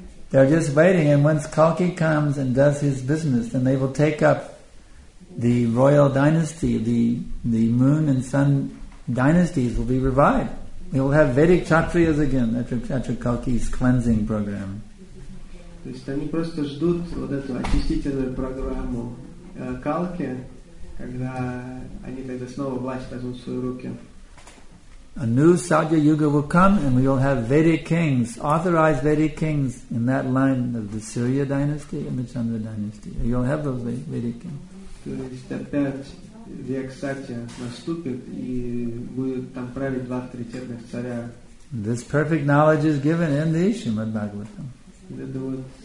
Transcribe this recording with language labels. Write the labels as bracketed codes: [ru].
[en] They are just waiting, and once Kalki comes and does his business, then they will take up the royal dynasty, the moon and sun dynasties will be revived. We will have Vedic Kshatriyas again after Kalki's cleansing program. [ru] То есть они просто ждут вот эту очистительную программу Калки, когда они тогда снова власть возьмут в свои руки. [en] A new Satya Yuga will come and we will have Vedic kings, authorized Vedic kings in that line of the Surya dynasty and the Chandra dynasty. You'll have those Vedic kings. [ru] То есть опять век Сатья наступит и будут там править два авторитетных царя. [en] This perfect knowledge is given in the Srimad Bhagavatam.